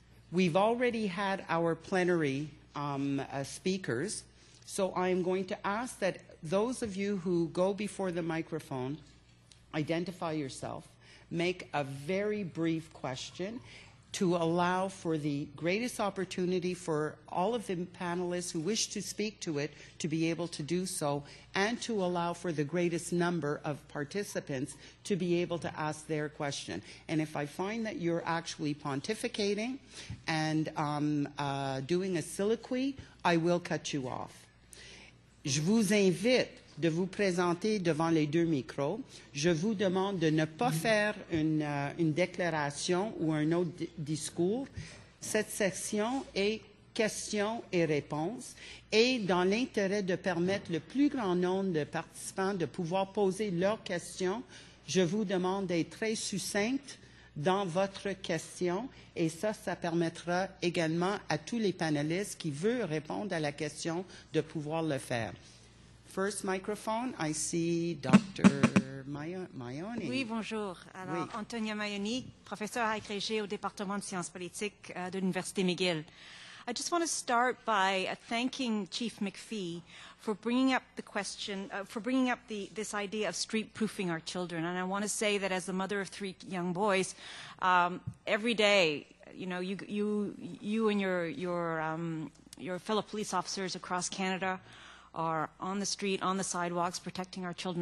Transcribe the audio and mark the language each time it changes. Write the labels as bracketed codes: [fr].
[en] We've already had our plenary speakers, so I am going to ask that those of you who go before the microphone identify yourself, make a very brief question to allow for the greatest opportunity for all of the panelists who wish to speak to it to be able to do so, and to allow for the greatest number of participants to be able to ask their question. And if I find that you're actually pontificating and doing a soliloquy, I will cut you off. [fr] Je vous invite de vous présenter devant les deux micros. Je vous demande de ne pas faire une déclaration ou un autre discours. Cette section est questions et réponses, et dans l'intérêt de permettre le plus grand nombre de participants de pouvoir poser leurs questions, je vous demande d'être très succincte dans votre question, et ça permettra également à tous les panélistes qui veulent répondre à la question de pouvoir le faire. [en] First microphone, I see Dr. Maione. [fr] Oui, bonjour. Alors, oui. Antonia Maione, professeur agrégé au département de sciences politiques de l'Université McGill. [en] I just want to start by thanking Chief McPhee for bringing up the question, this idea of street-proofing our children. And I want to say that as the mother of three young boys, every day, you know, you and your fellow police officers across Canada are on the street, on the sidewalks, protecting our children.